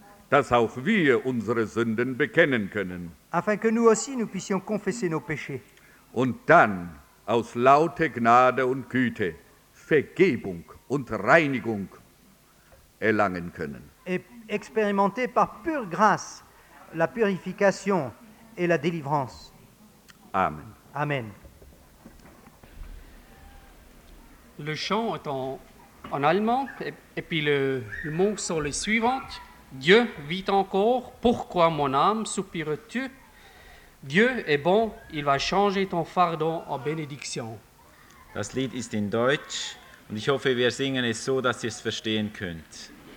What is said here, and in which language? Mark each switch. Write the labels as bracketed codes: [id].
[de] Dass auch wir unsere Sünden bekennen können. [fr] Afin que nous aussi nous puissions confesser nos péchés. [de] Und dann aus lauter Gnade und Güte Vergebung und Reinigung erlangen können. [fr] Et expérimenter par pure grâce la purification et la délivrance. [de] Amen. [fr] Amen. Le chant est en allemand et puis le mot sont les suivantes. Dieu vit encore, pourquoi mon âme soupire-tu? Dieu est bon, il va changer ton fardeau en bénédiction. [de] Das Lied ist in Deutsch und ich hoffe, wir singen es so, dass ihr es verstehen könnt.